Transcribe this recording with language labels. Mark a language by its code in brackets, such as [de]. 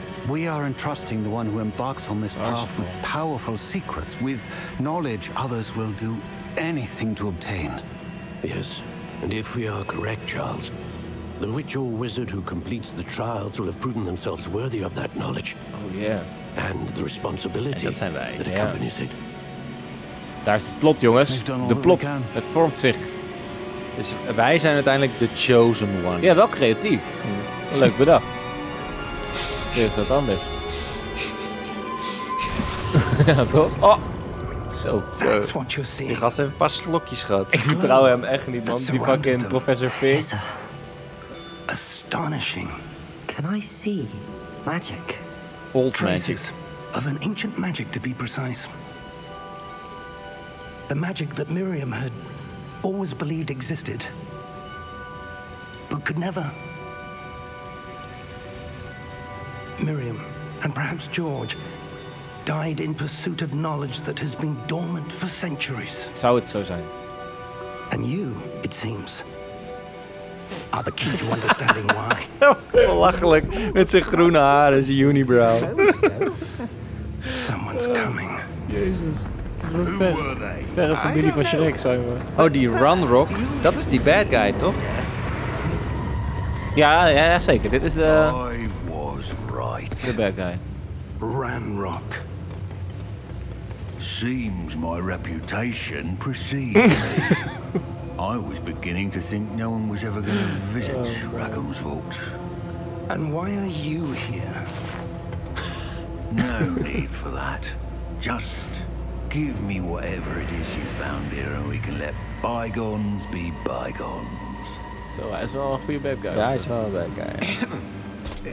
[en] We are entrusting the one who embarks on this path with powerful secrets, with knowledge others will do anything to obtain. Yes, and if we are correct, Charles, the witch or wizard who completes the trials will have proven themselves worthy of that knowledge. Oh yeah. And the responsibility that accompanies it. [nl] Daar is het plot, jongens. De plot. Het vormt zich. Dus wij zijn uiteindelijk [en] the chosen one. [nl] Ja, wel creatief. Leuk bedacht. Hier is wat anders. Ja, toch? Oh! Zo. [en] That's what you're seeing. [nl] Die gast heeft een paar slokjes gehad. Ik vertrouw hem echt niet, man. Die fucking professor Fee. [en] Astonishing. Can I see magic? Old magic. Of an ancient magic, to be precise. The magic that Miriam had always believed existed. But could never... Miriam, and perhaps George, died in pursuit of knowledge that has been dormant for centuries. [nl] Zou het zo zijn? [en] And you, it seems, are the key to understanding why. [nl] Belachelijk, met zijn groene haar en zijn unibrow. [en] Someone's coming. [nl] Jezus. Verre familie van Shrek, zijn we. Oh, die Runrock, dat is die bad guy, toch? Ja, ja, zeker. Dit is de... [en] right. The bad guy. Ranrock. Seems my reputation precedes me. I was beginning to think no one was ever going to visit Rackham's vault. And why are you here? No need for that. Just give me whatever it is you found here and we can let bygones be bygones. [nl] Zo, hij is wel een goede bad guy. Ja, hij is wel een bad guy. Ja.